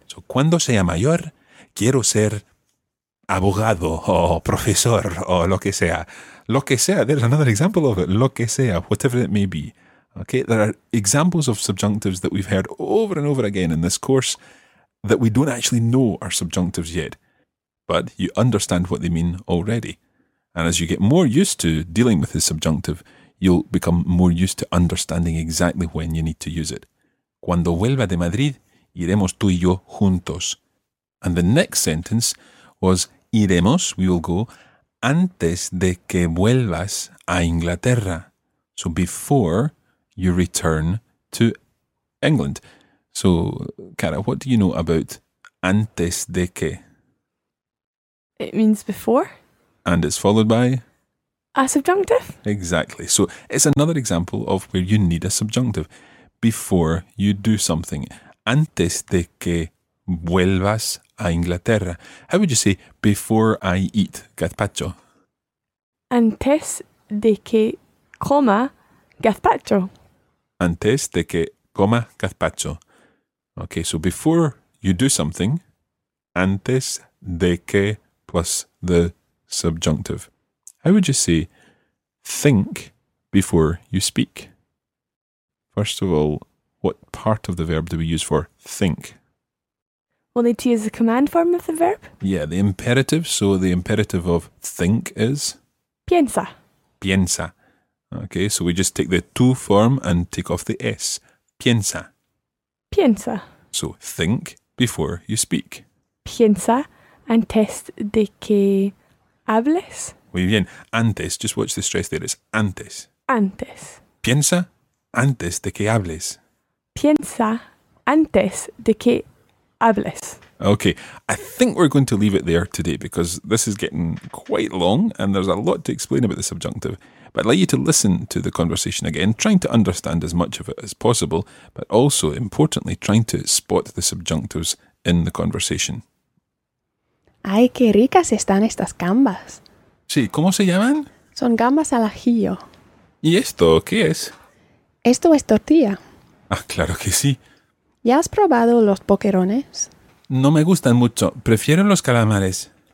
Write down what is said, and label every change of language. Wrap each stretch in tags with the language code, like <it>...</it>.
<es>So cuando sea mayor, quiero ser abogado o profesor o lo que sea. Lo que sea,</es> <en>there's another example of it. Lo que sea, whatever it may be. Okay, there are examples of subjunctives that we've heard over and over again in this course that we don't actually know are subjunctives yet, but you understand what they mean already. And as you get more used to dealing with the subjunctive, you'll become more used to understanding exactly when you need to use it.</en> <es>Cuando vuelva de Madrid, iremos tú y yo juntos.</es> <en>And the next sentence was, iremos, we will go,</en> <es>antes de que vuelvas a Inglaterra.</es> <en>So before you return to England. So, Cara, what do you know about antes de que? It means before. And it's followed by? A subjunctive. Exactly. So it's another example of where you need a subjunctive. Before you do something.</en> <es>Antes de que vuelvas a Inglaterra.</es> <en>How would you say before I eat gazpacho?</en> <es>Antes de que coma gazpacho. Antes de que coma gazpacho.</es> <en>Okay, so before you do something, antes de que plus the subjunctive. How would you say think before you speak? First of all, what part of the verb do we use for think? We'll need to use the command form of the verb. Yeah, the imperative. So the imperative of think is?</en> <es>Piensa. Piensa.</es> <en>Okay, so we just take the tú form and take off the S.</en> <es>Piensa. Piensa.</es> <en>So think before you speak.</en> <es>Piensa antes de que hables. Muy bien. Antes.</es> <en>Just watch the stress there. It's antes.</en> <es>Antes. Piensa antes de que hables. Piensa antes de que hables.</es> <en>Okay. I think we're going to leave it there today because this is getting quite long and there's a lot to explain about the subjunctive. But I'd like you to listen to the conversation again, trying to understand as much of it as possible, but also, importantly, trying to spot the subjunctives in the conversation.</en> <es>¡Ay, qué ricas están estas gambas! Sí, ¿cómo se llaman? Son gambas al ajillo. ¿Y esto qué es? Esto es tortilla. Ah, claro que sí. ¿Ya has probado los boquerones? No me gustan mucho. Prefiero los calamares.</es>